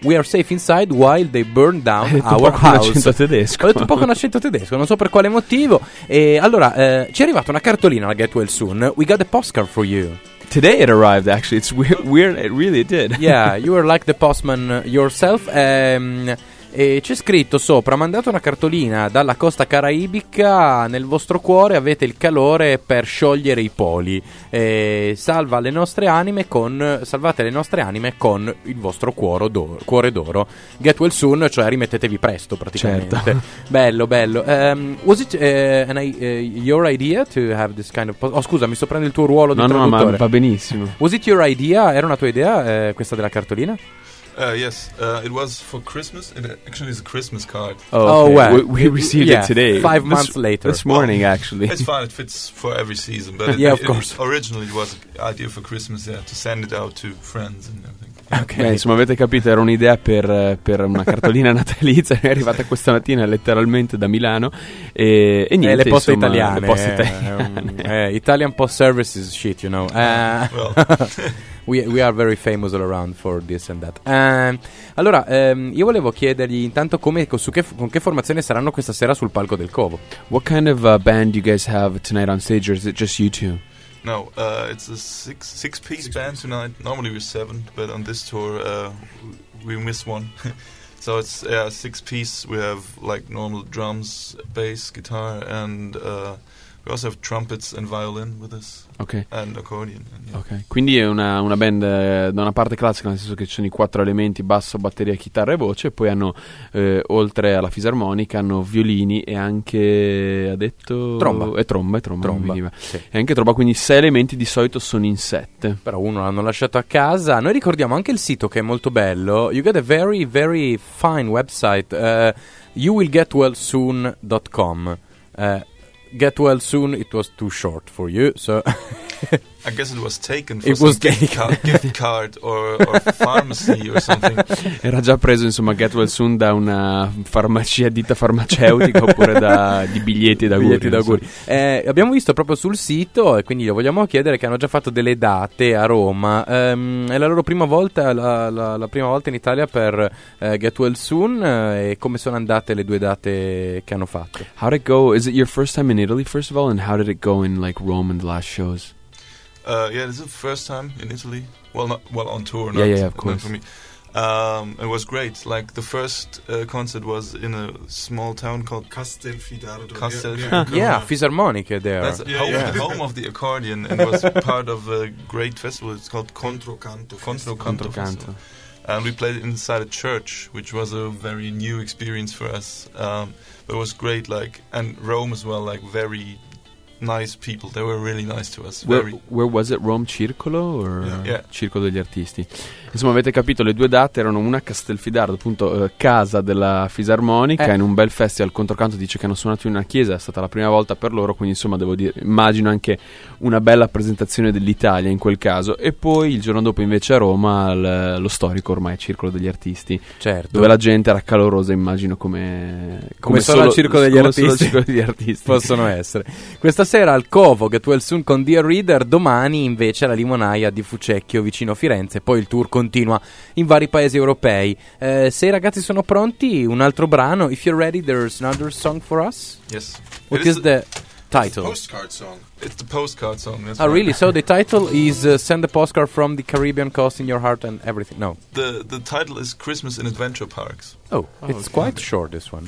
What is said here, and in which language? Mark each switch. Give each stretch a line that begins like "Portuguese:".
English: We are safe inside while they burn down our house.
Italian: Un accento tedesco. Ho detto un po' con accento tedesco, non so per quale motivo. E allora, ci è arrivata una cartolina alla Get Well Soon.
English: We got a postcard for you. Today it arrived, actually. It's weird, it really did. Yeah, you were like the postman yourself.
Italian: E c'è scritto sopra: mandate una cartolina dalla costa caraibica, nel vostro cuore avete il calore per sciogliere i poli, e salva le nostre anime con, salvate le nostre anime con il vostro cuore d'oro. Get well soon, cioè rimettetevi presto praticamente. Certo. Bello, bello.
English: Was it your idea to have this kind of
Italian: scusa, mi sto prendendo il tuo ruolo di traduttore. No, ma va benissimo.
English: Was it your idea?
Italian: Era una tua idea, questa della cartolina?
English: Yes, it was for Christmas. It actually is a Christmas card. Oh, okay. we received it today. 5 months later. This morning, actually. It's fine. It fits for every season. But of course. Originally, it was an idea for Christmas, yeah, to send it out to friends and everything. Okay.
Italian: Beh, insomma, avete capito, era un'idea per una cartolina natalizia. È arrivata questa mattina letteralmente da Milano. E niente, le poste insomma, italiane. Le poste italiane.
English: Italian post services shit, you know. We are very famous all around for this and that.
Italian: Allora, io volevo chiedergli intanto con che formazione saranno questa sera sul palco del Covo.
English: What kind of band you guys have tonight on stage, or is it just you two? No, it's a six-piece band tonight. Normally we're seven, but on this tour we miss one. So it's a six-piece. We have like normal drums, bass, guitar, and we also have trumpets and violin with us. Okay. And accordion. And, yeah. Okay.
Italian: Quindi è una band da una parte classica, nel senso che ci sono i quattro elementi: basso, batteria, chitarra e voce. E poi hanno, oltre alla fisarmonica, hanno violini e anche, ha detto, tromba. E tromba. Sì. E anche tromba. Quindi sei elementi, di solito sono in sette. Però uno l'hanno lasciato a casa. Noi ricordiamo anche il sito, che è molto bello.
English: You got a very very fine website. Youwillgetwellsoon.com. Get well soon, it was too short for you, so I guess it was taken for gift card or pharmacy or something.
Italian: Era già preso, insomma, get well soon da una farmacia, ditta farmaceutica, oppure di biglietti d'auguri. Biglietti d'auguri. Abbiamo visto proprio sul sito, e quindi lo vogliamo chiedere, che hanno già fatto delle date a Roma. È la loro prima volta, la prima volta in Italia per Get Well Soon. E come sono andate le due date che hanno fatto?
English: How did it go? Is it your first time in Italy, first of all? And how did it go in like Rome and the last shows? Yeah, this is the first time in Italy. Well, not well on tour. Not, yeah, of course. Not for me. It was great. Like the first concert was in a small town called Castelfidardo. Fisarmonica there. That's home of the accordion, and was part of a great festival. It's called Controcanto. And we played inside a church, which was a very new experience for us. But it was great. Like, and Rome as well. Like very nice people, they were really nice to us. Where was it? Rome Circolo? Or yeah.
Italian: Circolo degli Artisti. Insomma, avete capito, le due date erano una a Castelfidardo, appunto, casa della fisarmonica, in un bel festival. Controcanto dice che hanno suonato in una chiesa, è stata la prima volta per loro, quindi insomma, devo dire, immagino anche una bella presentazione dell'Italia in quel caso. E poi il giorno dopo invece a Roma, lo storico ormai Circolo degli Artisti. Certo. Dove la gente era calorosa, immagino, come solo il Circolo degli Artisti. Solo il Circolo degli Artisti possono essere. Questa sera al Covo, Get Well Soon con Dear Reader, domani invece alla Limonaia di Fucecchio, vicino Firenze, poi il tour continua in vari paesi europei. Se i ragazzi sono pronti, un altro brano.
English: If you're ready, there's another song for us. Yes. What is the title? It's the postcard song. It's the postcard song. Oh, right. Really? So the title is Send a Postcard from the Caribbean Coast in Your Heart and Everything. No. The title is Christmas in Adventure Parks. Oh, it's quite short, this one.